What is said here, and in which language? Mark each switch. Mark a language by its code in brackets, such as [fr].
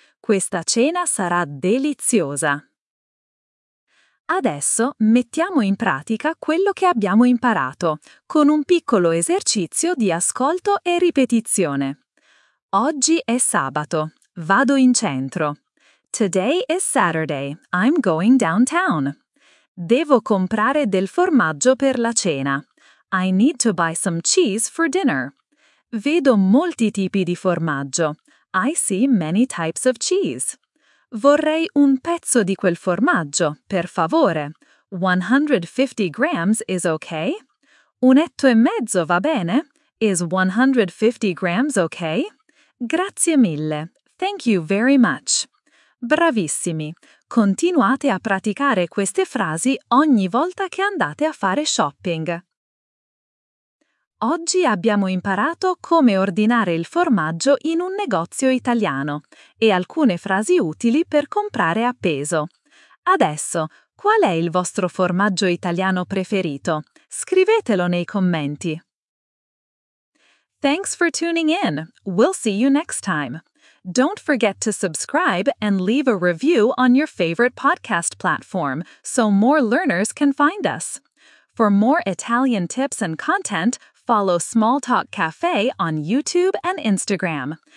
[it] Questa cena sarà deliziosa. Adesso mettiamo in pratica quello che abbiamo imparato, con un piccolo esercizio di ascolto e ripetizione. Oggi è sabato. Vado in centro. [en] Today is Saturday. I'm going downtown. [it] Devo comprare del formaggio per la cena. [en] I need to buy some cheese for dinner. [it] Vedo molti tipi di formaggio. [en] I see many types of cheese. [it] Vorrei un pezzo di quel formaggio, per favore. [en] 150 grams is okay? [it] Un etto e mezzo va bene? [en] Is 150 grams okay? [it] Grazie mille. [en] Thank you very much. [it] Bravissimi. Continuate a praticare queste frasi ogni volta che andate a fare shopping. Oggi abbiamo imparato come ordinare il formaggio in un negozio italiano e alcune frasi utili per comprare a peso. Adesso, qual è il vostro formaggio italiano preferito? Scrivetelo nei commenti. [en] Thanks for tuning in. We'll see you next time. Don't forget to subscribe and leave a review on your favorite podcast platform so more learners can find us. For more Italian tips and content, follow Small Talk Cafe on YouTube and Instagram.